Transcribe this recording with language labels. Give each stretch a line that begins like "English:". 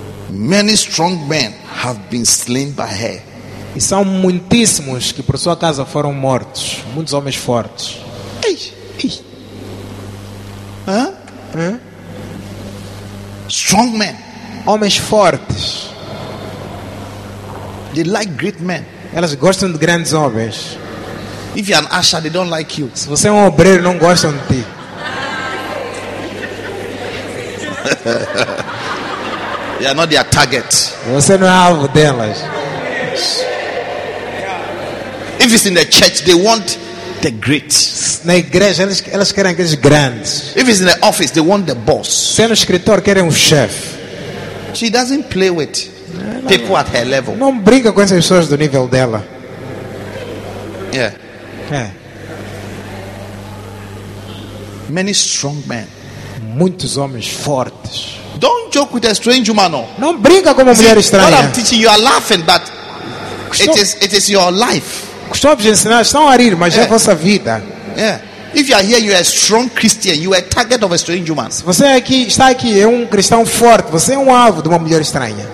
English: Many strong men have been slain by her.
Portuguese: E são muitíssimos que por sua causa foram mortos. Muitos homens fortes. Ei, ei. Hã?
English: Hã? Strong men.
Portuguese: Homens fortes.
English: They like great men.
Portuguese: Elas gostam de grandes homens.
English: If you're an usher, they don't like you.
Portuguese: Se você é um obreiro, não gostam de ti.
English: You are not their target.
Portuguese: Você não é alvo delas.
English: If it's in the church, they want the great.
Portuguese: Na igreja, elas querem aqueles grandes.
English: If it's in the office, they want the boss.
Portuguese: Se é no escritório, querem o chefe.
English: She doesn't play with people at her level.
Portuguese: Não brinca com essas pessoas do nível dela.
English: Yeah.
Portuguese: É.
English: Many strong men.
Portuguese: Muitos homens fortes.
English: Don't joke with a strange woman. No.
Portuguese: Não brinca com uma mulher estranha.
English: What I'm teaching you are laughing, but it is your life.
Portuguese: Costumo vos ensinar, estão a rir, mas é a vossa vida.
English: Yeah. If you are here, you are a strong Christian. You are a target of a strange woman.
Portuguese: Se você está aqui, é um cristão forte. Você é um alvo de uma mulher estranha.